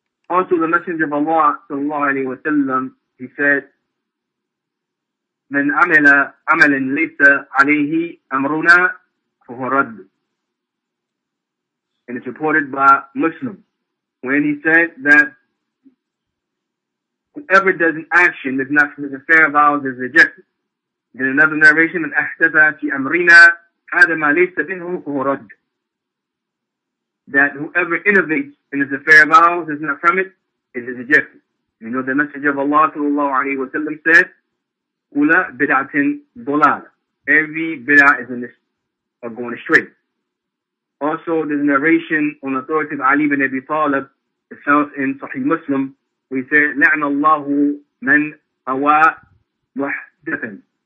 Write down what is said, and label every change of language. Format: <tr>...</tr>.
<en>Also, the Messenger of Allah, sallallahu alayhi wa sallam, he said,</en> <ar>من عمل عملا ليس عليه أمرنا فهو رد.</ar> <en>And it's reported by Muslim, when he said that whoever does an action that's not from the affair of ours is rejected.</en> <ar>In another narration, من أحدث في أمرنا هذا ما ليس منه فهو رد.</ar> <en>That whoever innovates in his affair of ours is not from it, it is rejected. You know, the Messenger of Allah sallallahu alayhi wa sallam said,</en> <ar>Kula bid'atin dolala.</ar> <en>Every bid'ah is a mistake, are going astray. Also, there's a narration on authority of Ali ibn Abi Talib, it sounds in Sahih Muslim, where he said,</en> <ar>La'anallahu man awa muhdathin.</ar>